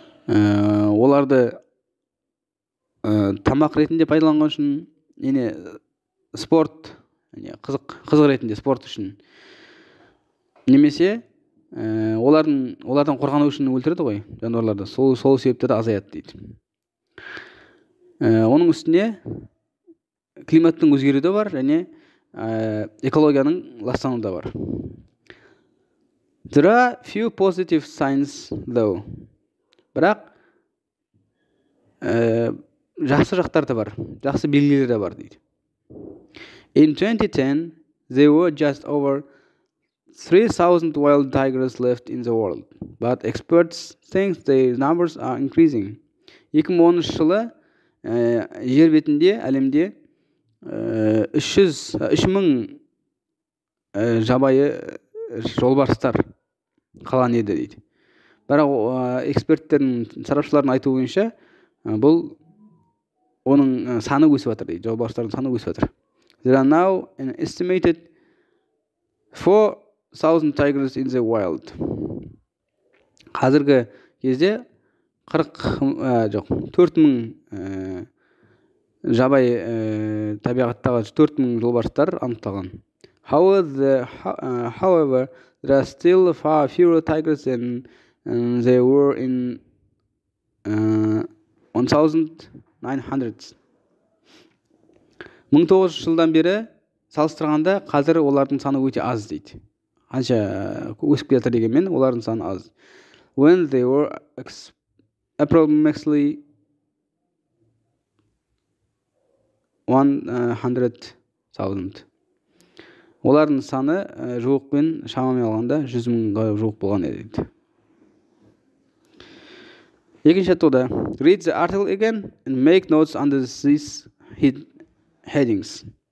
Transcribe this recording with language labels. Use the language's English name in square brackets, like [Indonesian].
[Kazakh] Оларды тамақ ретінде пайдаланған үшін, яғни спорт, яғни қызық ретінде спорт үшін, немесе олардан қорғану үшін өлтіреді ғой жануарларды. Сол себепті де азаяды дейді. Оның үстіне климаттың өзгеруі де бар, және экологияның ластануы да бар. [English] There are few positive signs though. [Kazakh] Бірақ жақсы жақтар да бар, жақсы белгілер де бар дейді. [English] In 2010, there were just over 3,000 wild tigers left in the world. But experts think the numbers are increasing. [Kazakh] 2010 жылы жер бетінде әлемде 3000 жабайы жолбарыстар қалған еді дейді. Бірақ эксперттердің сарапшылардың айтуы бойынша бұл оның саны өсіп жатыр дейді. Жолбарыстардың саны өсіп жатыр. [English] There are now an estimated 4,000 tigers in the wild. [Kazakh] Қазіргі кезде 4000 жабай табиғаттағы 4000 жолбарыстар анықталған. [English] However, there are still far fewer tigers than there were in 1900s. [Kazakh] 1900 жылдан бері салыстырғанда қазір олардың саны өте аз дейді. Қанша өсіп келе жатыр дегенмен олардың саны аз. [English] When they were approximately 100,000. [Kazakh] Олардың саны жуықпен шамамен алғанда 100,000-ға жуық болған еді. Екінші тұрда, [English] read the article again and make notes under these headings.